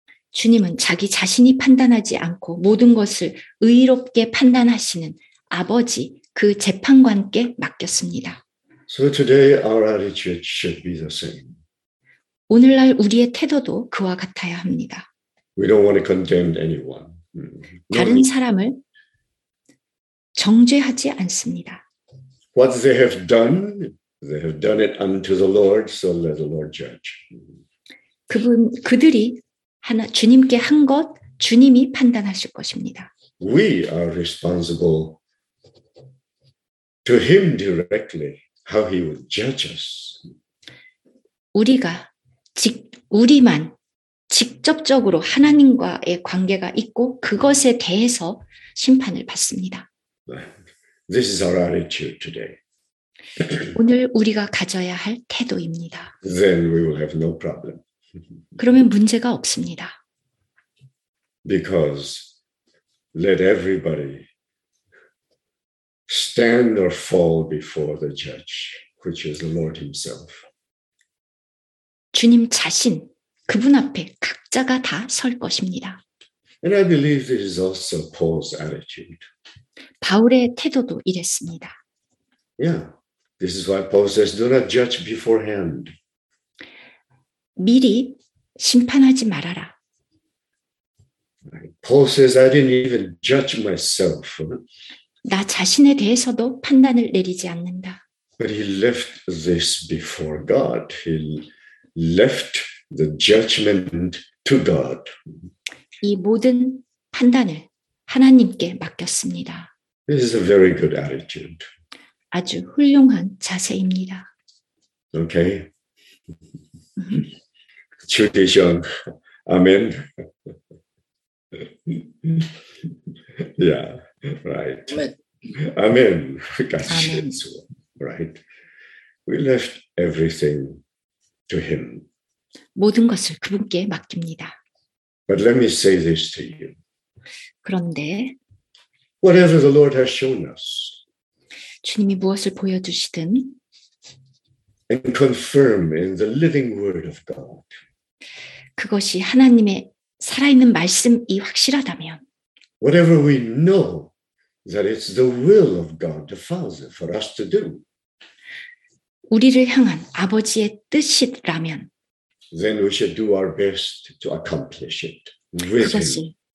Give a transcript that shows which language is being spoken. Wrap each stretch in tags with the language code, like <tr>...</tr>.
<ko>주님은 자기 자신이 판단하지 않고 모든 것을 의롭게 판단하시는 아버지 그 재판관께 맡겼습니다.</ko> <en>So today our attitude should be the same.</en> <ko>오늘날 우리의 태도도 그와 같아야 합니다.</ko> <en>We don't want to condemn anyone.</en> <ko>다른 사람을 정죄하지 않습니다.</ko> <en>What they have done it unto the Lord, so let the Lord judge.</en> <ko>그들이 하나 주님께 한 것 주님이 판단하실 것입니다.</ko> <en>We are responsible to him directly how he would judge us.</en> <ko>우리가 우리만 직접적으로 하나님과의 관계가 있고 그것에 대해서 심판을 받습니다.</ko> <en>This is our attitude today.</en> <ko>오늘 우리가 가져야 할 태도입니다.</ko> <en>Then we will have no problem.</en> <ko>그러면 문제가 없습니다.</ko> <en>Because let everybody stand or fall before the judge. which is the Lord himself.</en> <ko>주님 자신, 그분 앞에 각자가 다 설 것입니다.</ko> <en>And I believe this is also Paul's attitude.</en> <ko>바울의 태도도 이랬습니다.</ko> <en>Yeah, this is why Paul says, do not judge beforehand.</en> <ko>미리 심판하지 말아라.</ko> <en>Paul says, I didn't even judge myself.</en> <ko>나 자신에 대해서도 판단을 내리지 않는다.</ko> <en>But he left this before God. He left the judgment to God.</en> <ko>이 모든 판단을 하나님께 맡겼습니다.</ko> <en>This is a very good attitude.</en> <ko>아주 훌륭한 자세입니다.</ko> <en>Okay.</en> <ko>주 대신 아멘.</ko> <en>Yeah, right. 아멘. 아멘. Right. We left everything to him.</en> <ko>모든 것을 그분께 맡깁니다.</ko> <en>But let me say this to you.</en> <ko>그런데</ko> <en>whatever the Lord has shown us.</en> <ko>주님이 무엇을 보여주시든</ko> <en>and confirm in the living word of God.</en> <ko>그것이 하나님의 살아있는 말씀이 확실하다면</ko> <en>whatever we know that it's the will of God the Father for us to do.</en> <ko>우리를 향한 아버지의 뜻이라면</ko> <en>then we should do our best to accomplish it with him.</en>